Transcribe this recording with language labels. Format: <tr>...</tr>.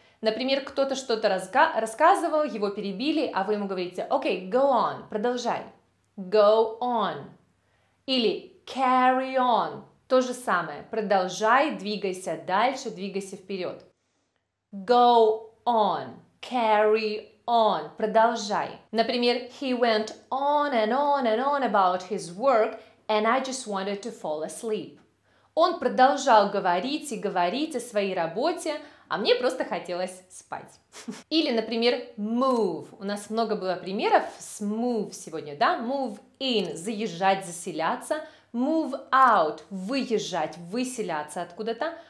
<ru>Например, кто-то что-то рассказывал, его перебили, а вы ему говорите, окей,</ru> <en>go on,</en> <ru>продолжай.</ru> <en>Go on.</en> <ru>Или</ru> <en>carry on.</en> <ru>То же самое. Продолжай, двигайся дальше, двигайся вперед.</ru> <en>Go on. Carry on. Продолжай.</en> <ru>Например,</ru> <en>he went on and on and on about his work, and I just wanted to fall asleep.</en> <ru>Он продолжал говорить и говорить о своей работе, а мне просто хотелось спать. Или, например, move. У нас много было примеров с move сегодня, да?</ru> <en>Move in</en> <ru>– заезжать, заселяться.</ru> <en>Move out</en> <ru>– выезжать, выселяться откуда-то.</ru>